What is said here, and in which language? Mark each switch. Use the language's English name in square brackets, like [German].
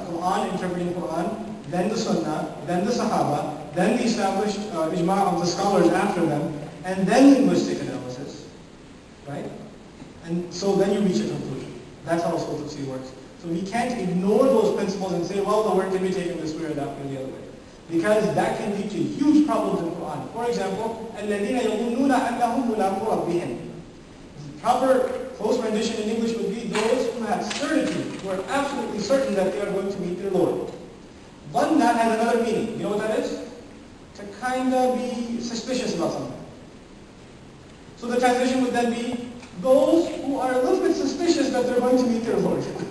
[English] Quran, interpreting Quran, then the Sunnah, then the Sahaba, then the established Ijma' of the scholars after them, and then linguistic analysis, right? And so then you reach a conclusion. That's how Usul Tafsir works. So we can't ignore those principles and say, well, the word can be taken this way or that way or the other way. Because that can lead to huge problems in Quran. For example, [Arabic] الَّذِينَ يَظُنُّونَ أَنَّهُمْ مُلَاقُوا رَبِّهِمْ. [English] The proper close rendition in English would be those who have certainty, who are absolutely certain that they are going to meet their Lord. ظَنَّ has another meaning. You know what that is? To kind of be suspicious about something. So the translation would then be, those who are a little bit suspicious that they're going to meet their Lord.